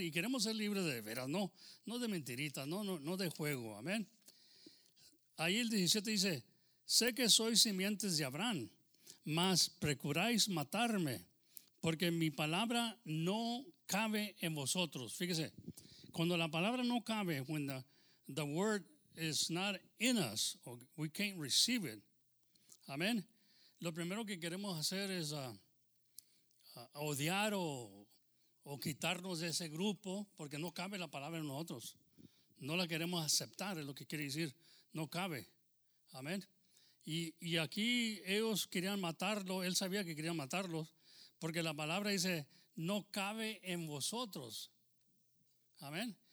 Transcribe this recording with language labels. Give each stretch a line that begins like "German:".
Spanish: Y queremos ser libres de veras, no de mentiritas, no de juego. Amén. Ahí el 17 dice, sé que sois simientes de Abraham, mas procuráis matarme, porque mi palabra no cabe en vosotros. Fíjese, cuando la palabra no cabe,
English: when the word is not in us, or we can't receive it.
Spanish: Amén. Lo primero que queremos hacer es odiar o quitarnos de ese grupo, porque no cabe la palabra en nosotros. No la queremos aceptar, es lo que quiere decir, no cabe. Amén. Y aquí ellos querían matarlo, él sabía que querían matarlos, porque la palabra dice, no cabe en vosotros. Amén.